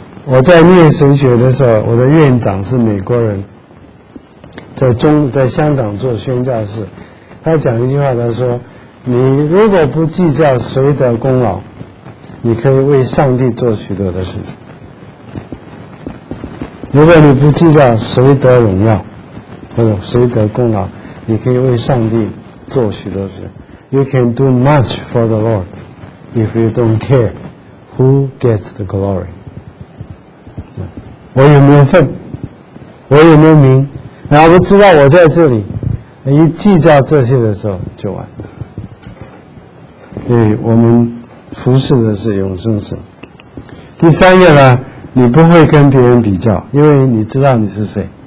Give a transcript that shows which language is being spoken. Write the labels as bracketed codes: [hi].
[zh] 我在念神学的时候，我的院长是美国人，在香港做宣教士，他讲一句话，他说：“你如果不计较谁的功劳，你可以为上帝做许多的事情；如果你不计较谁得荣耀，或者谁得功劳，你可以为上帝做许多事。 [en] You can do much for the Lord if you don't care who gets the glory。” [zh] 我有没有份？我有没有名？然后不知道我在这里，一计较这些的时候就完了。所以我们服侍的是永生神。第三个呢，你不会跟别人比较，因为你知道你是谁。